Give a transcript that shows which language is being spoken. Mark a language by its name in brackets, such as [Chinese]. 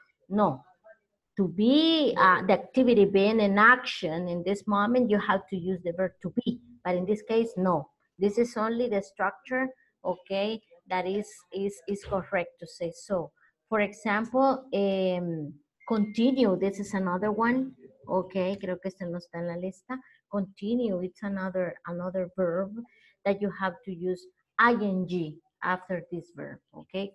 [English] To be, the activity being in action in this moment, you have to use the verb to be. But in this case, no. This is only the structure, okay, that is correct to say so. For example, continue, this is another one. [Spanish] Okay, creo que este no está en la lista. [English] Continue, it's another verb that you have to use ing after this verb, okay?